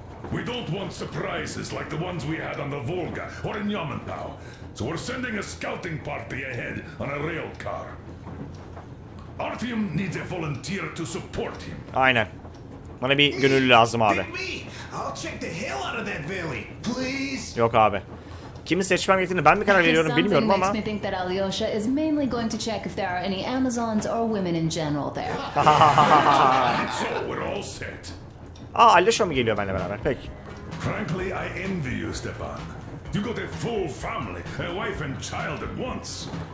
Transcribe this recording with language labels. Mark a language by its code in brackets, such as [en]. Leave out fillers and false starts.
[en] We don't want surprises like the ones we had on the Volga or in Yamantau. So we're sending a scouting party ahead on a rail car. Artyom needs a volunteer to support him. [tr] Aynen. Bana bir gönüllü lazım abi. [en] I'll check the hell out of that valley, please. [tr] Yok abi. Kimi seçmem gerektiğini ben mi karar veriyorum bilmiyorum ama. [en] I think that Alyosha is mainly going to check if there are any Amazons or women in general there. So we're all set. [tr] Aa, Alyosha mı geliyor benimle beraber? Peki. [en] Frankly, I envy you, Stepan. You got a full family, a wife and child at once.